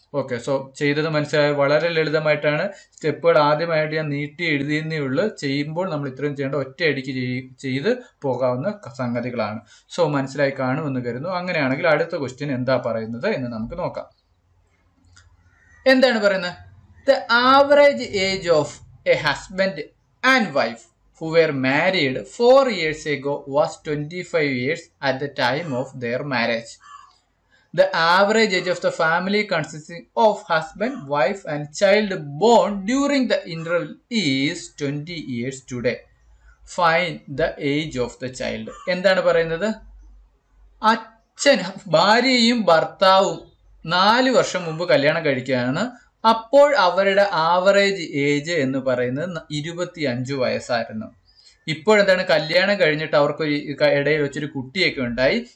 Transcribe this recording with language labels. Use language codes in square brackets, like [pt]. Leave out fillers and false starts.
[ml] Okay, so ചെയ്തത് മനസ്സിലായി. വളരെ ലളിതമായിട്ടാണ് സ്റ്റെപ്പുകൾ ആദ്യമായിട്ട് ഞാൻ നീട്ടി എഴുതിയെന്നേ ഉള്ളൂ. ചെയ്യുമ്പോൾ നമ്മൾ ഇത്രയും ചെയ്യേണ്ട ഒറ്റ അടിക്ക് ചെയ്ത് പോകാവുന്ന സംഗതികളാണ്. സോ മനസ്സിലായി കാണുമെന്ന് കരുതുന്നു. അങ്ങനെയാണെങ്കിൽ അടുത്ത ക്വസ്റ്റ്യൻ എന്താ പറയുന്നത് എന്ന് നമുക്ക് നോക്കാം. എന്താണ് പറയുന്നത്? [en] The average age of a husband and wife who were married 4 years ago was 25 years at the time of their marriage. The average age of the family consisting of husband, wife and child born during the interval is 20 years today. Find the age of the child. [ml] എന്താണ് പറയുന്നത്? അച്ഛൻ ഭാര്യയും ഭർത്താവും 4 വർഷം മുമ്പ് കല്യാണം കഴിക്കുകയാണ്. അപ്പോൾ അവരുടെ ആവറേജ് ഏജ് എന്ന് പറയുന്നത് 25 വയസ്സായിരുന്നു. ഇപ്പോഴെന്താണ്, കല്യാണം കഴിഞ്ഞിട്ട് അവർക്ക് ഇടയിൽ വെച്ചൊരു കുട്ടിയൊക്കെ ഉണ്ടായി.